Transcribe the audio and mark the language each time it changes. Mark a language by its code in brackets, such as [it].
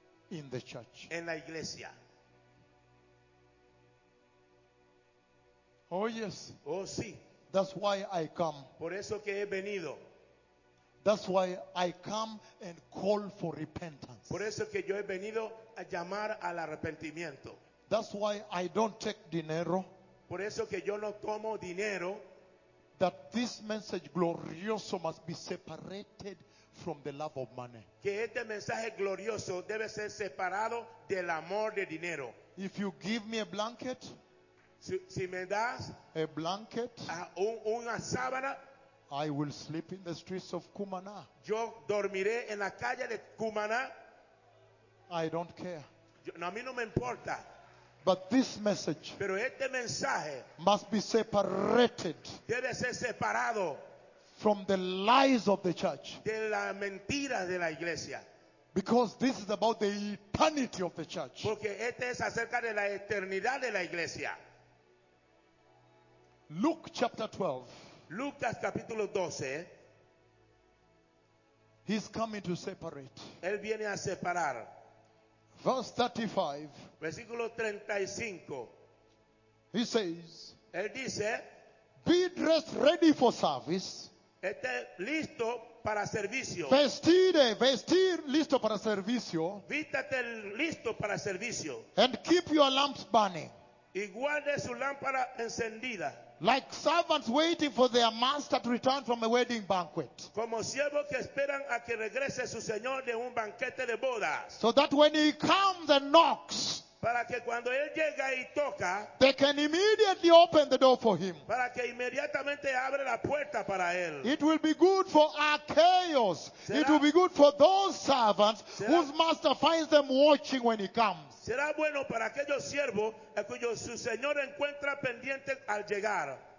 [en] In the church. [es] En la iglesia. [en] Oh yes. [es] Oh sí. [en] That's why I come. [es] Por eso que he venido. [en] That's why I come and call for repentance. [es] Por eso que yo he venido a llamar al arrepentimiento. [en] That's why I don't take [es] dinero. Por eso que yo no tomo dinero. [en] That this message [es] glorioso [en] must be separated from the love of money. [es] Que este mensaje glorioso debe ser separado del amor de dinero. [en] If you give me a blanket, [es] si me das [en] a blanket, [es] una sábana, [en] I will sleep in the streets of Cumaná. [es] Yo dormiré en la calle de Cumaná. [en] I don't care. [es] A mí no me importa. [en] But this message, [es] pero este mensaje, [en] must be separated, [es] debe ser separado, [en] from the lies of the church, [es] de la mentira de la iglesia, [en] because this is about the eternity of the church. [es] Porque este es acerca de la eternidad de la iglesia. [en] Luke chapter 12. [es] Lucas capítulo 12. [en] He's coming to separate. [es] Él viene a separar. [en] Verse 35. [es] Versículo 35. [en] He says, [es] él dice, [en] be dressed ready for service. [es] Esté listo para servicio. Vestir listo para servicio. Vístate listo para servicio. [en] And keep your lamps burning. [es] Y guarde su lámpara encendida. [en] Like servants waiting for their master to return from a wedding banquet. [es] Como siervos que esperan a que regrese su señor de un banquete de bodas. [en] So that when he comes and knocks, [es] para que cuando él llega y toca, [en] they can immediately open the door for him. [es] Para que inmediatamente abre la puerta para él. [en] It will be good for Archaeus. [es] ¿Será? [en] It will be good for those servants, [es] ¿será?, [en] whose master finds them watching when he comes. [es] Será bueno para aquellos siervos a cuyo su señor encuentra pendiente al llegar.